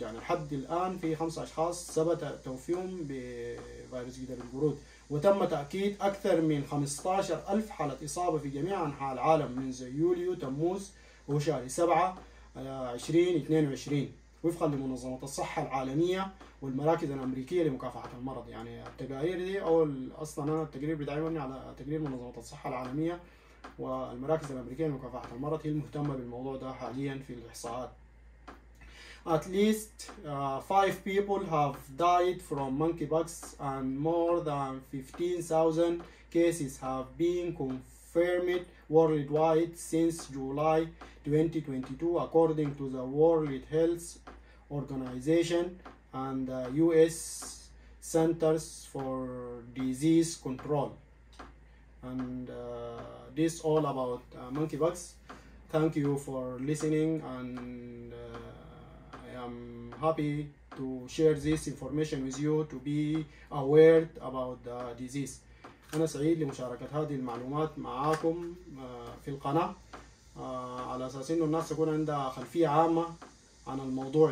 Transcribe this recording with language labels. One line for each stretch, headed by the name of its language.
Arabic: يعني لحد الآن في 5 أشخاص ثبت توفيهم بفيروس جدر القرود، وتم تأكيد أكثر من 15,000 حالة إصابة في جميع أنحاء العالم منذ يوليو تموز وشهر 7/2022 وفقا لمنظمة الصحة العالمية والمراكز الأمريكية لمكافحة المرض. يعني التقارير دي أو أصلا أنا التقرير بدعمني على تقرير منظمة الصحة العالمية والمراكز الأمريكية لمكافحة المرض، هي المهتمة بالموضوع ده حاليا في الإحصاءات.
English: At least 5 people have died from monkeypox and more than 15,000 cases have been confirmed worldwide since July 2022 according to the World Health Organization and the US Centers for Disease Control. And this all about monkeypox. Thank you for listening, and I am happy to share this information with you to be aware about the disease.
Arabic: أنا سعيد لمشاركة هذه المعلومات معاكم في القناة على أساس إنه الناس تكون عندها خلفية عامة عن الموضوع.